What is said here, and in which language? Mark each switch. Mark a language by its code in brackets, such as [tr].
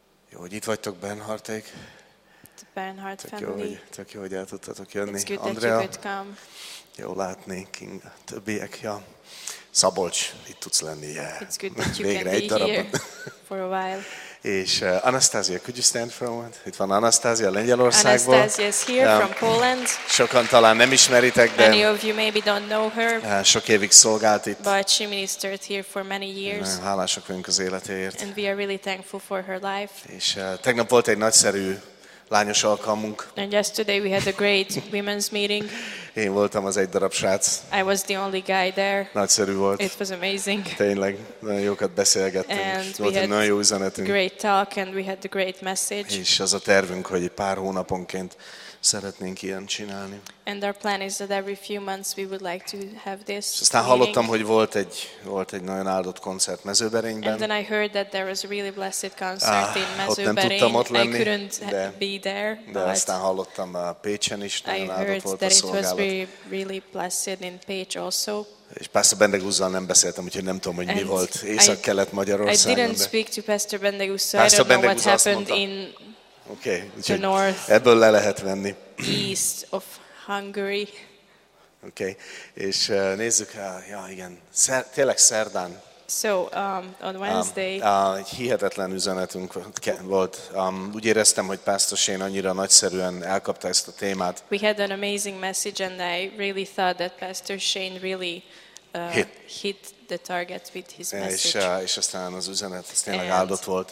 [hu] Jó, hogy itt vagytok, Bernharték. [en] Bernhard family. [hu] Tök jó, hogy el tudtatok jönni. [en] It's good Andrea. That you could come. [hu] Jó látni, King, a többiek, ja. Szabolcs, itt tudsz lenni, yeah. [en] It's good that you [hu] végre [en] can be [hu] darabban. [en] Here for a while. [hu] És [en] Anastasia, could you stand for a moment? [hu] Itt van Anastasia Lengyelországból. [en] Anastasia is here yeah. from Poland. [hu] Sokan talán nem ismeritek, de [en] many of you maybe don't know her. [hu] Sok évig szolgált itt. [en] But she ministered here for many years. [hu] Hálásak vagyunk az életéért. [en] And we are really thankful for her life. [hu] És tegnap volt egy nagyszerű lányos alkalmunk. [en] And yesterday we had a great women's meeting. [hu] Én voltam az egy darab srác. [en] I was the only guy there. [hu] Nagyszerű volt. [en] It was amazing. [hu] Tényleg, nagyon jókat beszélgettünk. [en] And [hu] volt [en] we [hu] egy nagyon jó üzenetünk. [en] Great talk and we had the great message. [hu] És az a tervünk, hogy pár hónaponként szeretnénk ilyen csinálni. [en] And our plan is that every few months we would like to have this. [hu] Aztán hallottam, hogy volt egy nagyon áldott koncert Mezőberényben. [en] And then I heard that there was a really blessed concert in Mezőberény. [hu] Ott nem tudtam ott lenni, [en] I couldn't [hu] de, [en] be there. [hu] De aztán hallottam a Pécsen is nagyon áldott volt a szolgálat. [en] Was really blessed in Page also. [hu] És Pastor Bendegúzzal nem beszéltem, úgyhogy nem tudom, hogy mi volt Észak-Kelet Magyarországon. [en] I didn't speak to Pastor Bendegúz, so I don't know what happened in the north. [hu] Ebből le lehet venni. [en] East of Hungary. Okay. [hu] És nézzük, ja igen, tényleg szerdán. [en] So on Wednesday. [hu] Egy hihetetlen üzenetünk volt. Úgy éreztem, hogy Pastor Shane annyira nagyszerűen elkapta ezt a témát. [en] We had an amazing message and I really thought that Pastor Shane really hit the target with his message. [hu] És aztán az üzenet tényleg áldott volt.